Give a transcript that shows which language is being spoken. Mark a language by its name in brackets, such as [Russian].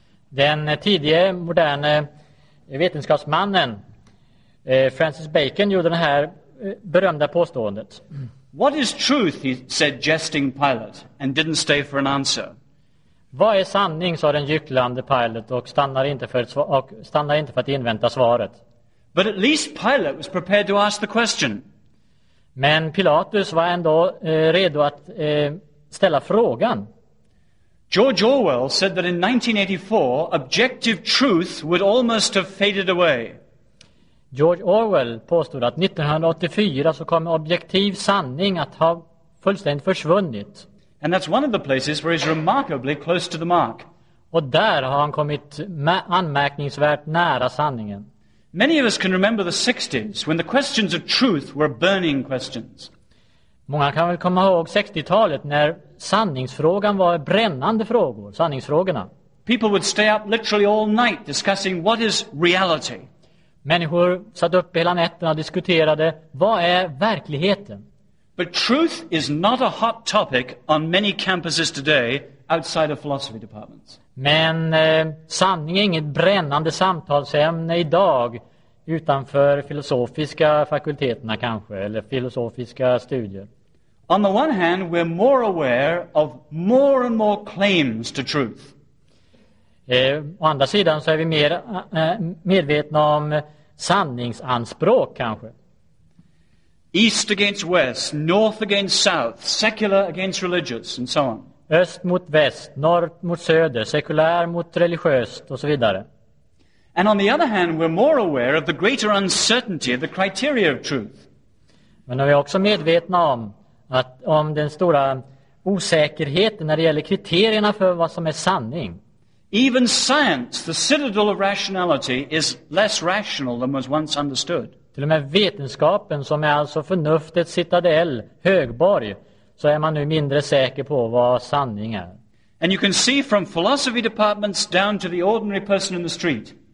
[Swedish] Den tidiga moderna vetenskapsmannen Francis Bacon gjorde det här berömda påståendet. [English] What is truth, he said, jesting Pilate, and didn't stay for an answer. [Swedish] Vad är sanning, sa den gycklande Pilate, och stannade inte för att invänta svaret. [English] But at least Pilate was prepared to ask the question. [Swedish] Men Pilatus var ändå redo att ställa frågan. [English] George Orwell said that in 1984, objective truth would almost have faded away. [Swedish] George Orwell påstod att 1984 så kom objektiv sanning att ha fullständigt försvunnit. [English] And that's one of the places where he's remarkably close to the mark. [Swedish] Och där har han kommit anmärkningsvärt nära sanningen. [English] Many of us can remember the 60s when the questions of truth were burning questions. [Swedish] Många kan väl komma ihåg 60-talet när sanningsfrågan var brännande frågor, sanningsfrågorna. [English] People would stay up literally all night discussing what is reality. [Swedish] Människor satt upp hela nätterna och diskuterade vad är verkligheten. [English] But truth is not a hot topic on many campuses today outside of philosophy departments. [Swedish] Men sanning är inget brännande samtalsämne idag utanför filosofiska fakulteterna kanske eller filosofiska studier. [English] On the one hand we're more aware of more and more claims to truth. [Swedish] Å andra sidan så är vi mer medvetna om sanningsanspråk kanske. [English] East against west, north against south, secular against religious and so on. [Swedish] Öst mot väst, norr mot söder, sekulär mot religiöst och så vidare. [English] And on the other hand we're more aware of the greater uncertainty of the criteria of truth. [Swedish] Men vi är också medvetna om att om den stora osäkerheten när det gäller kriterierna för vad som är sanning. [English] Even science, the citadel of rationality, is less rational than was once understood. [Swedish] Till och med vetenskapen, som är alltså förnuftets citadell, högborg, så är man nu mindre säker på vad sanning är. [English] And you can see from philosophy departments down to the ordinary person in the street.